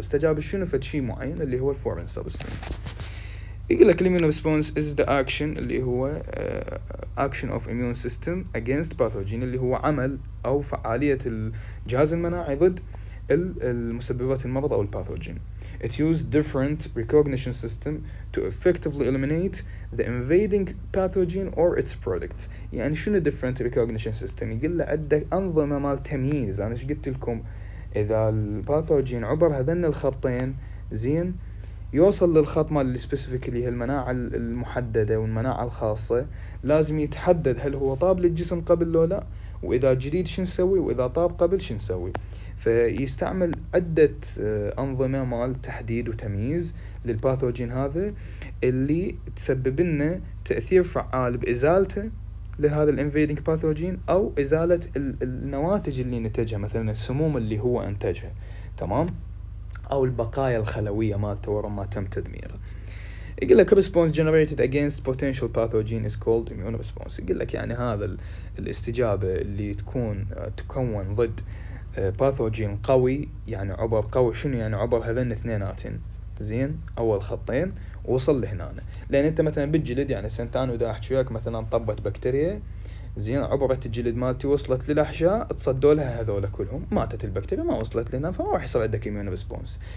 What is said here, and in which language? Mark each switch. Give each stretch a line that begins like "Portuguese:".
Arabic: استجابة شنو؟ فد شيء معين اللي هو الفورين سبستنس. يقول لك
English: الاميون response is the action اللي هو action of immune system against pathogen,
Arabic: اللي هو عمل او فعالية الجهاز المناعي ضد المسببات المرض او الباثوجين.
English: It used different recognition system to effectively eliminate the invading pathogen or its products.
Arabic: يعني شنو
English: different recognition system؟
Arabic: يقول له عندك أنظمة مال تمييز. أنا شو قلت لكم؟ إذا الباثوجين عبر هذين الخطين زين، يوصل للخط مال specifically هي المناعة المحددة والمناعة الخاصة، لازم يتحدد هل هو طاب للجسم قبل لو لا، وإذا جديد شو نسوي، وإذا طاب قبل شو نسوي. فيستعمل عدة أنظمة مال تحديد وتمييز للباثوجين هذا اللي تسبب لنا تأثير فعال بإزالته لهذا الانفيدنج باثوجين، أو إزالة النواتج اللي نتجها، مثلا السموم اللي هو أنتجها، تمام، أو البقايا الخلوية مالته ورا ما تم تدميره. يقول لك
English: response generated against potential pathogen is called immune response.
Arabic: يقول لك يعني هذا الاستجابة اللي تكون ضد باثوجين قوي، يعني عبر قوي شنو؟ يعني عبر هذين اثنينات زين، اول خطين وصل لهنا. لان انت مثلا بالجلد، يعني سنتان ودا احكي وياك، مثلا طبت بكتيريا زين، عبرت الجلد مالتي وصلت للاحشاء، تصدوا لها هذول كلهم، ماتت البكتيريا ما وصلت لنا، فما راح يصير عندك اميون ريسبونس.